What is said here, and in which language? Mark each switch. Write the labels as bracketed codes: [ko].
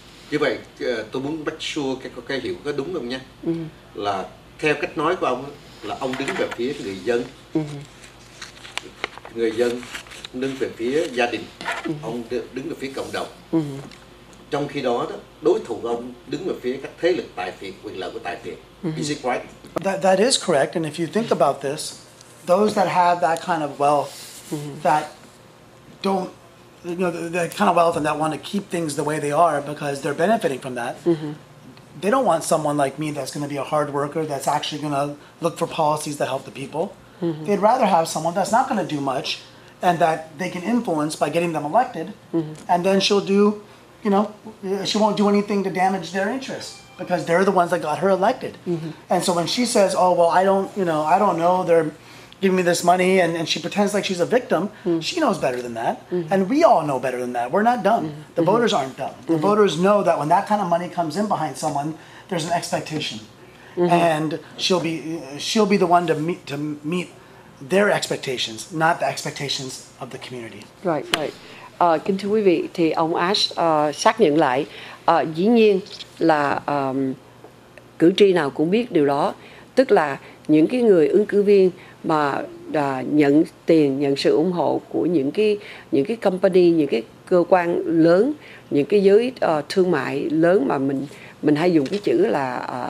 [vi] Như vậy tôi muốn [en] make sure [vi] cái hiểu có đúng không nha. Là theo cách nói của ông là ông đứng về phía người dân, người dân đứng về phía gia đình, ông đứng về phía cộng đồng. Trong khi đó đối thủ ông đứng về phía các thế lực tài phiệt, quyền lợi của tài phiệt. [en] Is it right? That is correct. And if you think about this, those that have that kind of wealth, that don't, that kind of wealth and that want to keep things the way they are because they're benefiting from that, they don't want someone like me that's going to be a hard worker, that's actually going to look for policies that help the people. Mm-hmm. They'd rather have someone that's not going to do much and that they can influence by getting them elected. Mm-hmm. And then she'll do, you know, she won't do anything to damage their interests because they're the ones that got her elected. Mm-hmm. And so when she says, oh, well, I don't know, they're giving me this money, and she pretends like she's a victim, mm-hmm. she knows better than that. Mm-hmm. And we all know better than that. We're not dumb. Mm-hmm. The voters aren't dumb. Mm-hmm. The voters know that when that kind of money comes in behind someone, there's an expectation. Mm-hmm. And she'll be the one to meet their expectations, not the expectations of the community. Right, right. [vi] Kính thưa quý vị, thì ông Ash xác nhận lại, dĩ nhiên là cử tri nào cũng biết điều đó, tức là những cái người ứng cử viên mà nhận tiền, nhận sự ủng hộ của những cái company, những cái cơ quan lớn, những cái giới thương mại lớn mà mình hay dùng cái chữ là